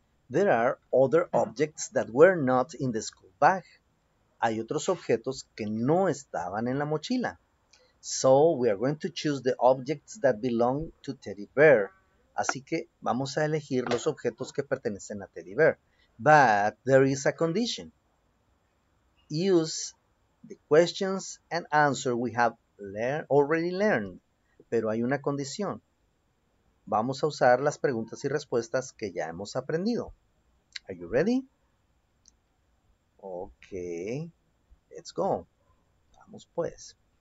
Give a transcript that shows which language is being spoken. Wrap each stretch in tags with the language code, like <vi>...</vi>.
<en>There are other objects that were not in the school bag.</en> <es>Hay otros objetos que no estaban en la mochila.</es> <en>So, we are going to choose the objects that belong to Teddy Bear.</en> <es>Así que vamos a elegir los objetos que pertenecen a Teddy Bear.</es> <en>But there is a condition. Use the questions and answer we have already learned.</en> <es>Pero hay una condición. Vamos a usar las preguntas y respuestas que ya hemos aprendido.</es> <en>Are you ready? Okay, let's go.</en> <es>Vamos pues.</es>